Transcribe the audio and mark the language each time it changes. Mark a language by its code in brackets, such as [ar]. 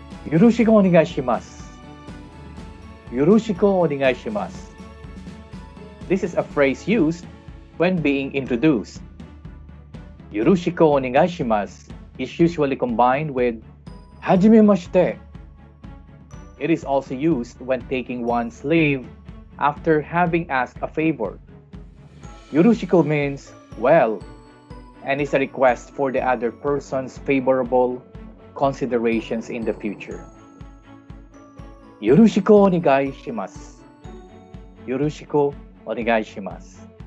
[ja] よろしくお願いします。よろしくお願いします。 [en] This is a phrase used when being introduced. [ja] よろしくお願いします [en] is usually combined with [ja] はじめまして。 [en] It is also used when taking one's leave after having asked a favor. よろしく means well and is a request for the other person's favorable considerations in the future. [ja] よろしくお願いします。よろしくお願いします。